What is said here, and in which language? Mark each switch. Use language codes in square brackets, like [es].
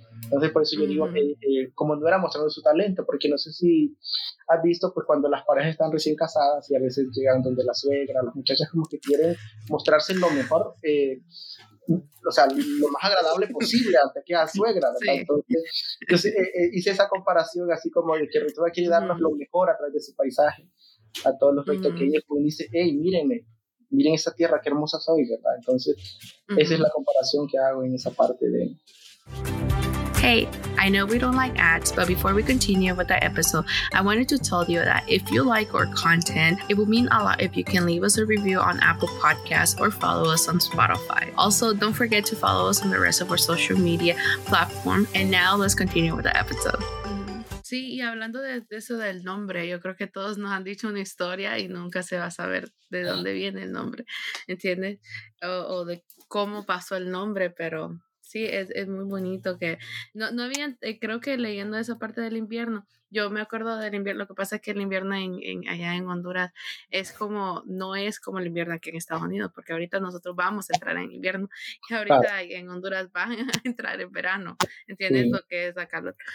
[es] Entonces por eso yo digo, como no era mostrando su talento, porque no sé si has visto, pues cuando las parejas están recién casadas y a veces llegan donde la suegra, las muchachas como que quieren mostrarse lo mejor, o sea, lo más agradable posible ante que a suegra, ¿verdad? Sí. Entonces hice esa comparación así como de que Rito quiere darnos lo mejor a través de su paisaje, a todos los proyectos que ella pues dice, hey, mírenme. Miren esa tierra, qué hermosa soy, ¿verdad? Entonces, uh-huh. esa es la comparación que hago en esa parte de... [en] Hey, I know we don't like ads, but before we continue with the episode, I wanted to tell you that if you like our content, it would mean a lot if you can leave us a review on Apple Podcasts or follow us on Spotify. Also, don't forget to follow us on the rest of our social media platform. And now let's continue with the episode. [es] Sí, y hablando de eso del nombre, yo creo que todos nos han dicho una historia y nunca se va a saber de dónde viene el nombre, ¿entiendes? O de cómo pasó el nombre, pero sí, es muy bonito que... No había, creo que leyendo esa parte del invierno, yo me acuerdo del invierno, lo que pasa es que el invierno allá en Honduras es como, no es como el invierno aquí en Estados Unidos, porque ahorita nosotros vamos a entrar en invierno y ahorita en Honduras van a entrar en verano, ¿entiendes lo que es la calor?